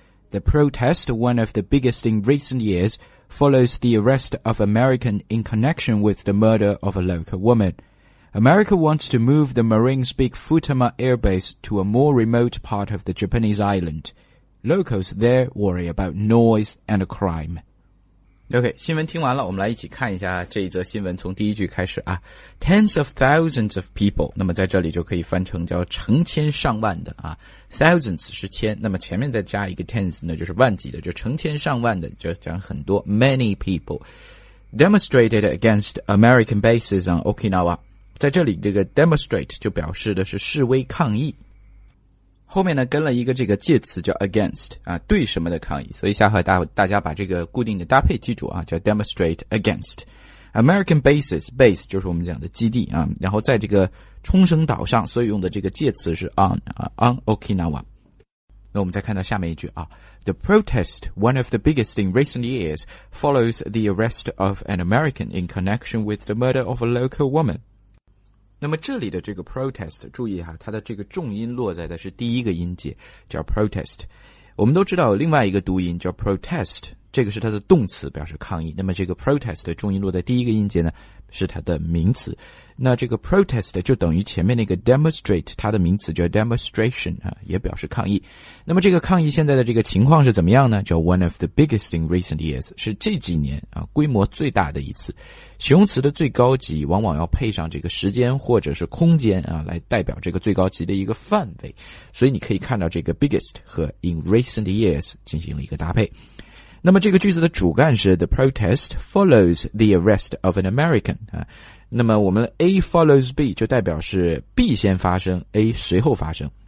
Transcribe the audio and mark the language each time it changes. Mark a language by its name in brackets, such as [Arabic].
[English] The protest, one of the biggest in recent years, follows the arrest of American in connection with the murder of a local woman. America wants to move the Marines' big Futama Air Base to a more remote part of the Japanese island. Locals there worry about noise and crime. [Chinese] OK, 新闻听完了，我们来一起看一下这一则新闻，从第一句开始啊。 [English] Tens of thousands of people, [Chinese] 那么在这里就可以翻成叫成千上万的啊。 Thousands 是千，那么前面再加一个 tens 呢，就是万级的，就成千上万的，就讲很多 [English] many people. Demonstrated against American bases on Okinawa. [Chinese] 在这里这个 demonstrate 就表示的是示威抗议。后面呢跟了一个这个介词叫 against, 啊对什么的抗议。所以下回大家把这个固定的搭配记住啊，叫 demonstrate against。 American base 就是我们讲的基地啊，然后在这个冲绳岛上，所以用的这个介词是 [English] on Okinawa。 [Chinese] 那我们再看到下面一句啊。 [English] The protest, one of the biggest in recent years, follows the arrest of an American in connection with the murder of a local woman. [Chinese] 那么这里的这个 protest, 注意哈，它的这个重音落在的是第一个音节，叫 protest。我们都知道有另外一个读音叫 protest, 这个是它的动词，表示抗议。那么这个 protest 的重音落在第一个音节呢，是它的名词。那这个 protest 就等于前面那个 demonstrate, 它的名词叫 demonstration, 啊，也表示抗议。那么这个抗议现在的这个情况是怎么样呢？叫 [English] one of the biggest in recent years, [Chinese] 是这几年啊规模最大的一次。形容词的最高级往往要配上这个时间或者是空间啊，来代表这个最高级的一个范围。所以你可以看到这个 biggest 和 [English] in recent years [Chinese] 进行了一个搭配。那么这个句子的主干是 [English] the protest follows the arrest of an American, [Chinese] 啊，那么我们 [English] A follows B [Chinese] 就代表是 B 先发生 A 随后发生。